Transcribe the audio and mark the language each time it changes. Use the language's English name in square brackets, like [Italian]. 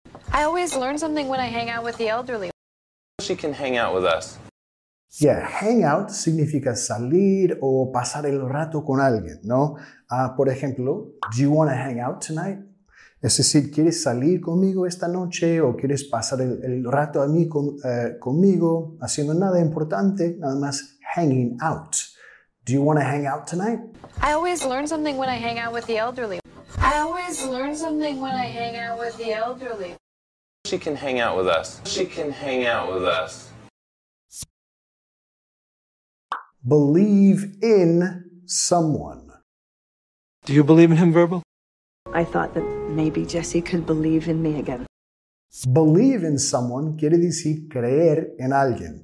[English] I always learn something when I hang out with the elderly. She can hang out with us. [Spanish] Yeah, [English] hang out [Spanish] significa salir o pasar el rato con alguien, ¿no? Por ejemplo, [English] do you want to hang out tonight? [Spanish] Es decir, ¿quieres salir conmigo esta noche o quieres pasar el rato a mí conmigo haciendo nada importante? Nada más [English] hanging out. Do you want to hang out tonight? I always learn something when I hang out with the elderly. I always learn something when I hang out with the elderly. She can hang out with us. She can hang out with us. Believe in someone. Do you believe in him, Verbal? I thought that maybe Jesse could believe in me again. Believe in someone [Spanish] quiere decir creer en alguien.